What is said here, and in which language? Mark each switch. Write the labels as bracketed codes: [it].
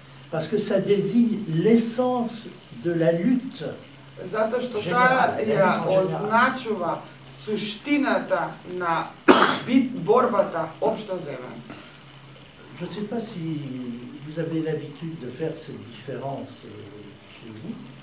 [fr] Parce que ça désigne l'essence de la lutte. [mk] Затоа што таа ја означува суштината на борбата општо земен. [fr] Je ne sais pas si vous avez l'habitude de faire cette différence chez vous.